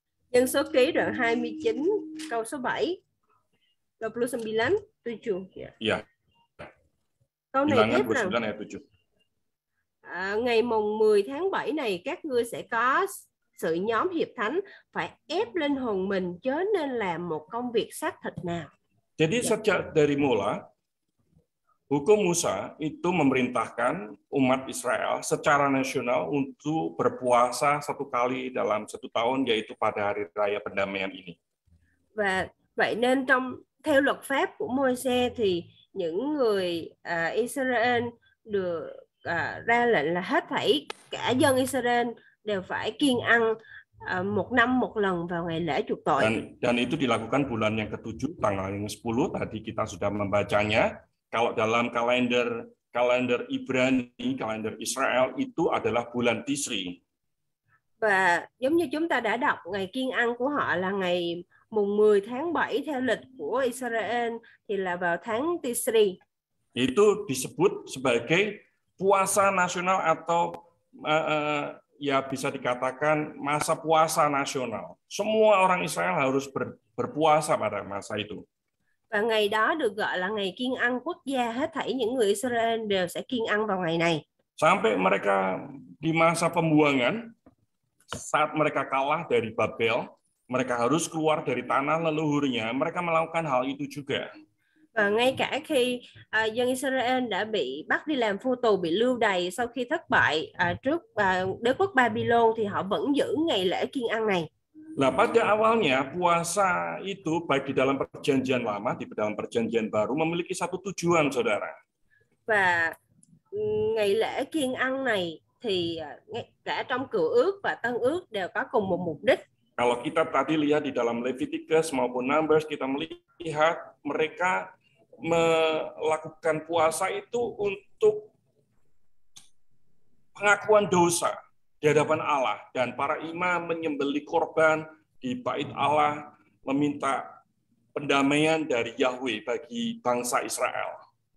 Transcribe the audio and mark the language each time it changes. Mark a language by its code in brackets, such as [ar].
[vi] Dân Số Ký đoạn 29, câu số 7. 29, 7. [id] Ya. [vi] Câu này [id] Bilangan 29, ayat 7. [vi] Ngày mùng 10 tháng 7 này các ngươi sẽ có sự nhóm hiệp thánh, phải ép linh hồn mình chớ nên làm một công việc xác thịt nào. [id] Jadi sejak dari mula hukum Musa itu memerintahkan umat Israel secara nasional untuk berpuasa satu kali dalam satu tahun, yaitu pada hari raya pendamaian ini. [vi] Và vậy nên trong theo luật pháp của Môi-se thì những người Israel được ra lệnh là hết thảy cả dân Israel đều phải kiêng ăn một năm một lần vào ngày lễ chuộc tội. [id] Dan itu dilakukan bulan yang ketujuh, tanggal yang 10, tadi kita sudah membacanya. Kalau dalam kalender Ibrani, kalender Israel, itu adalah bulan Tisri. [vi] Và giống như chúng ta đã đọc, ngày kiêng ăn của họ là ngày mùng 10 tháng 7 theo lịch của Israel thì là vào tháng Tisri. [id] Itu disebut sebagai puasa nasional atau ya bisa dikatakan masa puasa nasional. Semua orang Israel harus berpuasa pada masa itu. [vi] Và ngày đó được gọi là ngày kiêng ăn quốc gia, hết thảy những người Israel đều sẽ kiêng ăn vào ngày này. [id] Sampai mereka di masa pembuangan, saat mereka kalah dari Babel, mereka harus keluar dari tanah leluhurnya, mereka melakukan hal itu juga. [vi] Và ngay cả khi dân Israel đã bị bắt đi làm phu tù, bị lưu đày sau khi thất bại trước đế quốc Babylon thì họ vẫn giữ ngày lễ kiêng ăn này. [id] Nah, pada awalnya puasa itu baik di dalam perjanjian lama di dalam perjanjian baru memiliki satu tujuan, saudara. [vi] Và ngày lễ kiêng ăn này thì cả trong Cựu Ước và Tân Ước đều có cùng một mục đích. [id] Kalau kita tadi lihat di dalam Leviticus maupun Numbers, kita melihat mereka melakukan puasa itu untuk pengakuan dosa di hadapan Allah, dan para imam menyembelih korban di Bait Allah meminta pendamaian dari Yahweh bagi bangsa Israel.